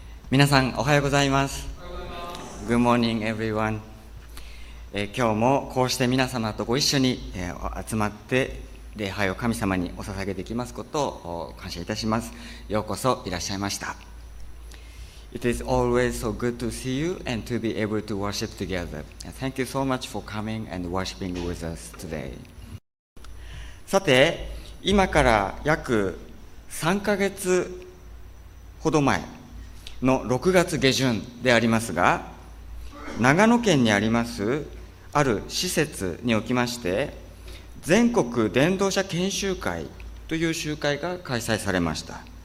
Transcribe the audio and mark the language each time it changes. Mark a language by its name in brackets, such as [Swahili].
[Japanese] 皆さんおはようございます。 [English] Good morning everyone。 [Japanese] 今日もこうして皆様とご一緒に集まって礼拝を神様にお捧げできますことを感謝いたします。ようこそいらっしゃいました。 [English] It is always so good to see you and to be able to worship together. Thank you so much for coming and worshiping with us today. [Japanese] さて、今から約3ヶ月ほど前の6月下旬でありますが、長野県にありますある施設におきまして全国伝道者研修会という集会が開催されました。